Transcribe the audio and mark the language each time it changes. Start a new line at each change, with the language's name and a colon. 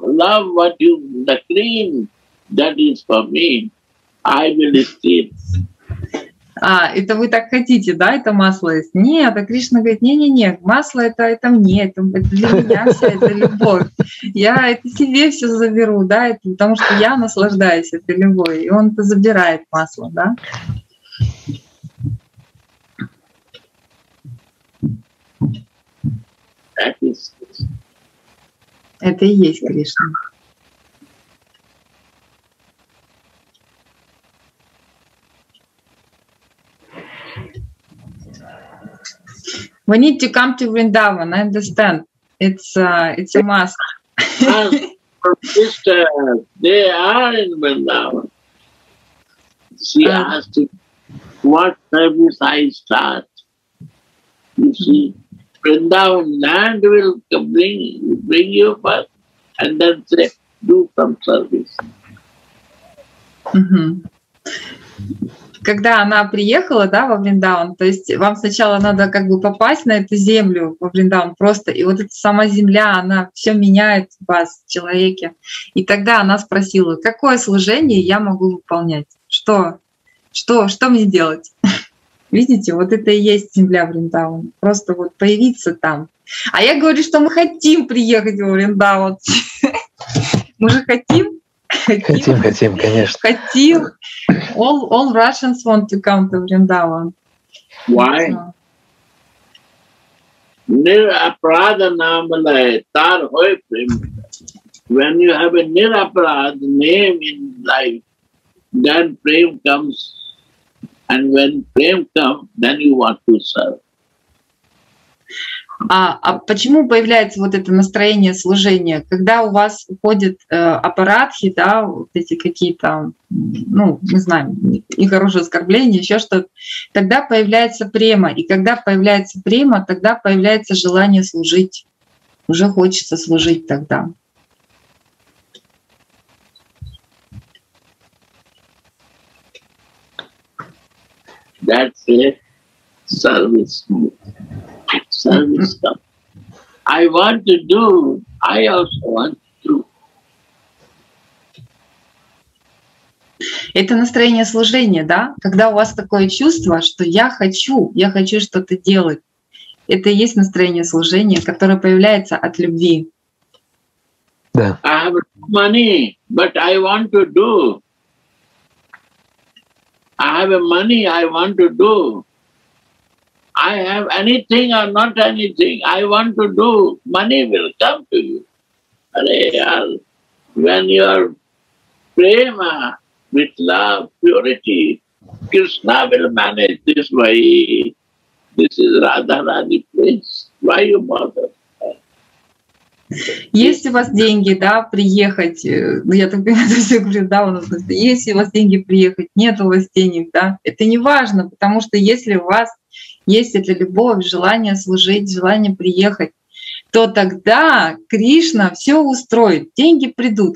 English: Love what you, the cream that is for me. I will steal.
Russian: А, это вы так хотите, да, это масло есть? Нет, а Кришна говорит, не-не-не, масло это мне, это для меня вся эта любовь. Я это себе все заберу, да, это, потому что я наслаждаюсь этой любовью. И он это забирает масло, да? Это и есть Кришна.
English: We need to come to Vrindavan, I understand. It's a must. Sister, they are in Vrindavan. She asked him, what service I start? You see, Vrindavan land will bring you first and then say, do some service. Mm-hmm.
Russian: Когда она приехала, да, во Вриндаун, то есть вам сначала надо как бы попасть на эту землю во Вриндаун просто, и вот эта сама земля, она все меняет в вас, в человеке. И тогда она спросила, какое служение я могу выполнять? Что мне делать? Видите, вот это и есть земля Вриндаун, просто вот появиться там. А я говорю, что мы хотим приехать во Вриндаун. Мы же хотим. Хотим, конечно. Хотим.
English: All Russians want to come to Vrindavan. Why?
Bangla: Nirapradha namalai tar hoi prim.
English: When you have a nirapradha name in life, then prem comes. And when prem comes, then you want to serve.
Russian: А почему появляется вот это настроение служения? Когда у вас уходят апарадхи, да, вот эти какие-то, ну, не знаю, нехорошие оскорбления, еще что-то, тогда появляется према. И когда появляется према, тогда появляется желание служить. Уже хочется служить тогда.
English: That's it. Service stuff. I want to do. I also want to.
Russian: Это настроение служения, да? Когда у вас такое чувство, что я хочу что-то делать. Это и есть настроение служения, которое появляется от любви. Да.
English: I have money, but I want to do. I have money, I want to do. I have anything or not anything I want to do, money will come to you. When your prema with love, purity, Krishna will manage this way. This is Radharani place. Why you bother?
Russian: Есть у вас деньги, да, приехать? Ну, я так говорю, да, у нас есть у вас деньги приехать, нет у вас денег, да? Это не важно, потому что если у вас есть эта любовь, желание служить, желание приехать, то тогда Кришна все устроит, деньги придут.